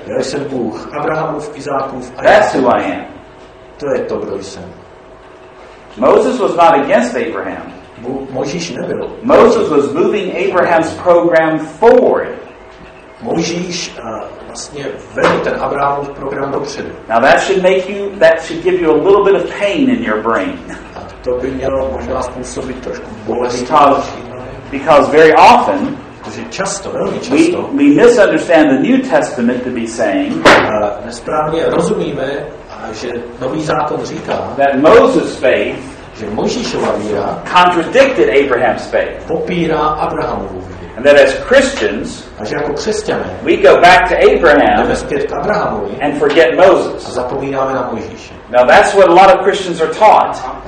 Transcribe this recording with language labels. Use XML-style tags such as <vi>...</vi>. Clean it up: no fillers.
<cs>Já jsem Bůh Abrahamův, Izákův a Jakubův.</cs> <en>That's who I am.</en> <cs>To je to, kdo jsem.</cs> <en>Moses was not against Abraham.</en> <cs>Mojžíš nebyl.</cs> <en>Moses was moving Abraham's program forward.</en> <cs>Mojžíš vlastně vedl ten Abrahamův program dopředu.</cs> <en>Now that should make you, that should give you a little bit of pain in your brain.</en> <cs>To by mělo možná způsobit trošku bolest.</cs> <en>Because very often,</en> <cs>protože často, velmi často,</cs> <en>we misunderstand the New Testament to be saying,</en> <cs>nesprávně rozumíme že nový zákon říká,</cs> <en>that Moses' faith,</en> <cs>že Mojžíšova víra,</cs> <en>contradicted Abraham's faith,</en> <cs>popírá Abrahamovu víru.</cs> <en>And that as Christians,</en> <cs>a že jako křesťané,</cs> <en>we go back to Abraham,</en> <cs>jdeme zpět k Abrahamovi,</cs> <en>and forget Moses.</en> <cs>A zapomínáme na Mojžíše.</cs> <en>Now that's what a lot of Christians are taught.</en>